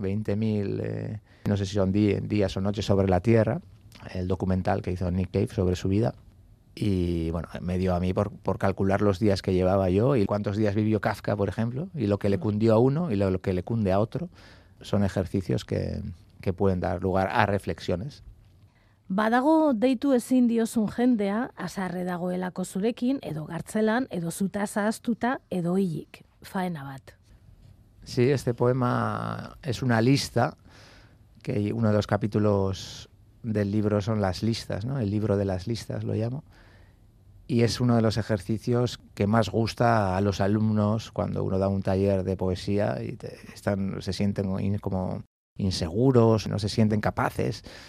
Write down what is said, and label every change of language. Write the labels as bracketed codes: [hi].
[es] 20.000, no sé si son días o noches sobre la Tierra, el documental que hizo Nick Cave sobre su vida. Y bueno, me dio a mí por calcular los días que llevaba yo y cuántos días vivió Kafka, por ejemplo, y lo que le cundió a uno y lo que le cunde a otro, son ejercicios que pueden dar lugar a reflexiones. [eu] Badago deitu ezin diozun jendea, azarre dagoelako zurekin, edo gartzelan, edo zutaz ahaztuta, edo hilik, faena bat. [es] Sí, este poema es una lista, que uno de los capítulos del libro son las listas, ¿no? El libro de las listas lo llamo, y es uno de los ejercicios que más gusta a los alumnos cuando uno da un taller de poesía y se sienten como inseguros, no se sienten capaces.